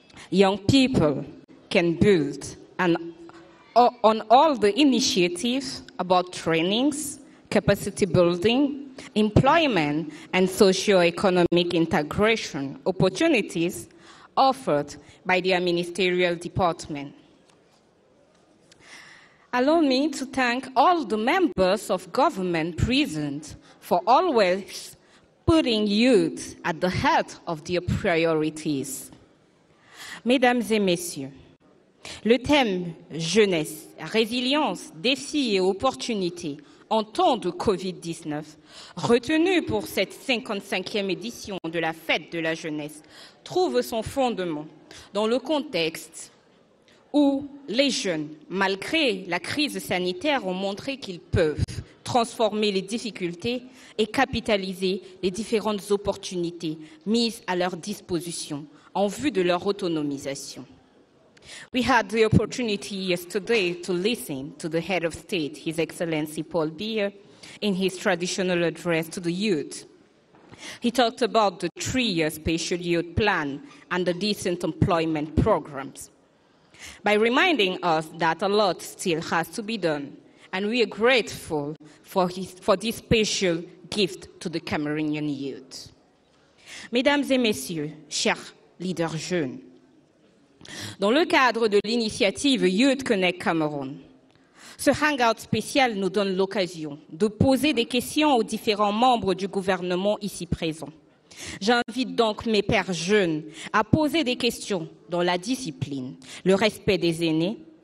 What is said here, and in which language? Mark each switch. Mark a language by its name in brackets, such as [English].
[English] young people, can build an on all the initiatives about trainings, capacity building, employment, and socio-economic integration opportunities offered by the ministerial department. Allow me to thank all the members of government present for always putting youth at the head of their priorities. [French] Mesdames et messieurs, le thème « Jeunesse, résilience, défis et opportunités en temps de COVID-19 » retenu pour cette 55e édition de la Fête de la Jeunesse trouve son fondement dans le contexte où les jeunes, malgré la crise sanitaire, ont montré qu'ils peuvent transformer les difficultés et capitaliser les différentes opportunités mises à leur disposition en vue de leur autonomisation. [English] We had the opportunity yesterday to listen to the head of state, His Excellency Paul Biya, in his traditional address to the youth. He talked about the three-year special youth plan and the decent employment programs, by reminding us that a lot still has to be done, and we are grateful for this special gift to the Cameroonian youth. [French] Mesdames et messieurs, chers leaders jeunes, dans le cadre de l'initiative Youth Connect Cameroun, ce hangout spécial nous donne l'occasion de poser des questions aux différents membres du gouvernement ici présents. J'invite donc mes pères jeunes à poser des questions dans la discipline, le respect des aînés.